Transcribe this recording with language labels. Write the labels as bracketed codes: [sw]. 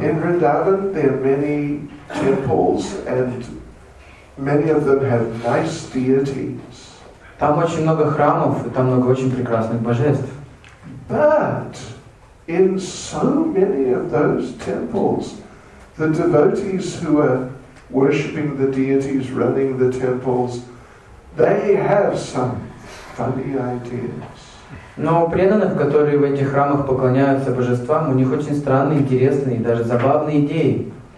[en] In Vrindavan there are many temples and many of them have nice deities. [ru] Там очень много храмов и там много очень прекрасных божеств. [en] But in so many of those temples, the devotees who are worshipping the deities, running the temples, they have some funny ideas. [ru] Но преданных, которые в этих храмах поклоняются божествам, у них очень странные, интересные, даже забавные идеи.